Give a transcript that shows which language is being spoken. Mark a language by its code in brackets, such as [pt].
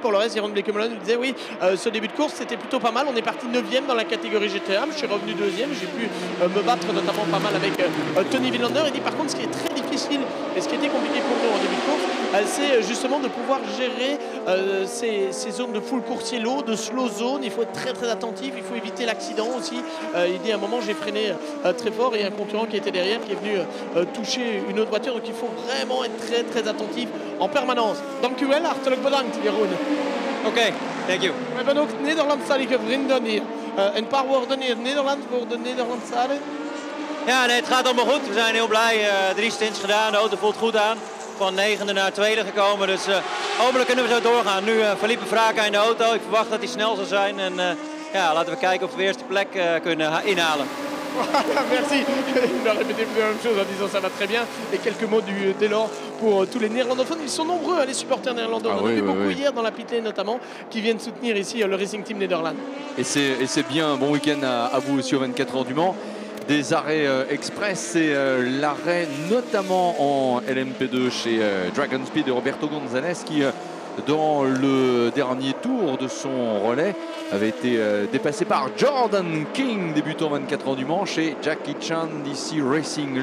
[fr] Pour le reste, Jérôme Descomelon nous disait, oui, ce début de course, c'était plutôt pas mal, on est parti 9e dans la catégorie GTM, je suis revenu 2e, j'ai pu me battre notamment pas mal avec Tony Villander. Il dit par contre, ce qui est très difficile et ce qui était compliqué pour nous en début de course, c'est justement de pouvoir gérer ces zones de full coursier low, de slow zone. Il faut être très très attentif, il faut éviter l'accident aussi. Il dit à un moment j'ai freiné très fort et un concurrent qui était derrière qui est venu toucher une autre voiture. Donc il faut vraiment être très très attentif en permanence. [nl] Dank u wel, hartelijk bedankt, Jeroen. [en] Ok, thank you. [nl] We hebben ook Nederlandstalige vrienden hier. Een paar woorden hier, Nederland voor de Nederlandstalen. Ja, nee, het gaat allemaal goed. We zijn heel blij. 3 stints gedaan, de auto voelt goed aan. Van 9e naar 2e gekomen, dus hopelijk kunnen we zo doorgaan. Nu Felipe Fraga in de auto, ik verwacht dat hij snel zal zijn. En ja, laten we kijken of we de eerste plek kunnen inhalen. [fr] Merci. Il a répété la même chose en disant ça va très bien. Et quelques mots dès lors pour tous les néerlandophones. Ils sont nombreux, les supporters néerlandais. Ah, on oui, a vu oui, beaucoup oui. hier dans la pit lane notamment, qui viennent soutenir ici le Racing Team Nederland. Et c'est bien, bon week-end à vous aussi aux 24 heures du Mans. Des arrêts express, c'est l'arrêt notamment en LMP2 chez Dragon Speed de Roberto Gonzalez qui, dans le dernier tour de son relais, avait été dépassé par Jordan King, débutant 24 ans du Mans, chez Jackie Chan DC Racing.